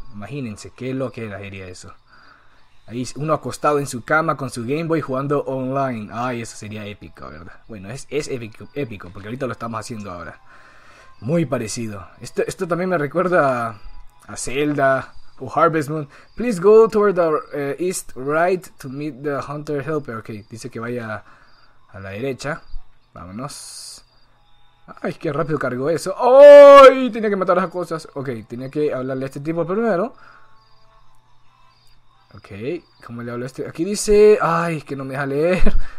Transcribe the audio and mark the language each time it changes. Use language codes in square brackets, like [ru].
[es] Imagínense, qué loco era eso. Ahí uno acostado en su cama con su Game Boy jugando online. Ay, eso sería épico, ¿verdad? Bueno, es épico, épico, porque ahorita lo estamos haciendo ahora. Muy parecido. Esto también me recuerda a Zelda. [en] Oh, Harvest Moon, please go toward the east right to meet the hunter helper. [es] Ok, dice que vaya a la derecha. Vámonos. Ay, qué rápido cargó eso. ¡Ay! Tenía que matar a las cosas. Ok, tenía que hablarle a este tipo primero. Ok, ¿cómo le hablo a este? Aquí dice... Ay, que no me deja leer.